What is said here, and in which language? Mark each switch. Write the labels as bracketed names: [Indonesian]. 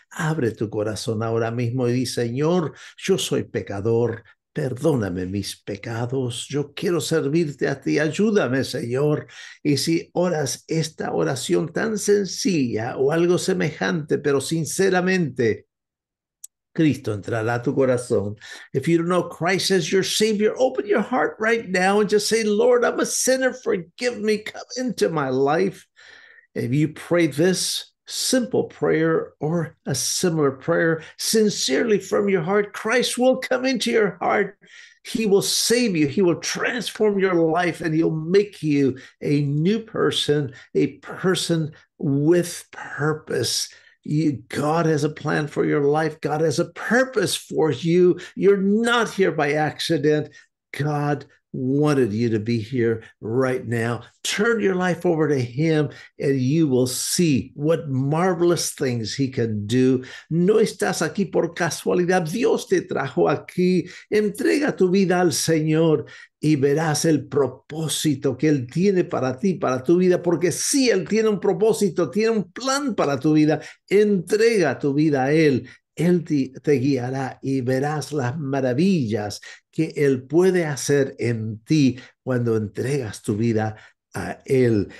[Spanish] Abre tu corazón ahora mismo y di, Señor, yo soy pecador. Perdóname mis pecados. Yo quiero servirte a ti. Ayúdame, Señor. Y si oras esta oración tan sencilla o algo semejante, pero sinceramente, Cristo entrará a tu corazón. [English] If you don't know Christ as your Savior, open your heart right now and just say, Lord, I'm a sinner. Forgive me. Come into my life. If you pray this simple prayer or a similar prayer sincerely from your heart, Christ will come into your heart. He will save you. He will transform your life and he'll make you a new person, a person with purpose. God has a plan for your life. God has a purpose for you. You're not here by accident. God wanted you to be here right now. Turn your life over to him and you will see what marvelous things he can do. [Spanish] No estás aquí por casualidad. Dios te trajo aquí. Entrega tu vida al Señor y verás el propósito que él tiene para ti, para tu vida. Porque sí, él tiene un propósito, tiene un plan para tu vida. Entrega tu vida a él. Él te guiará y verás las maravillas que Él puede hacer en ti cuando entregas tu vida a Él.